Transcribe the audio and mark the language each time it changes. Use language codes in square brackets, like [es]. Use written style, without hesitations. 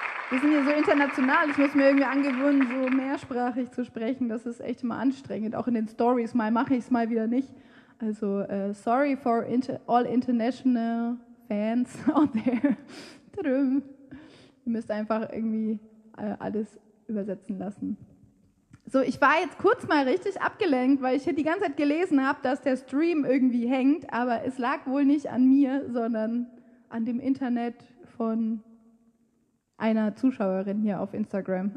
[de] Wir sind hier so international, ich muss mir irgendwie angewöhnen, so mehrsprachig zu sprechen. Das ist echt immer anstrengend, auch in den Stories. Mal mache ich es, mal wieder nicht. [en] Also sorry for all international fans out there. [de] Ihr müsst einfach irgendwie alles übersetzen lassen. So, ich war jetzt kurz mal richtig abgelenkt, weil ich hier die ganze Zeit gelesen habe, dass der Stream irgendwie hängt, aber es lag wohl nicht an mir, sondern an dem Internet von einer Zuschauerin hier auf Instagram.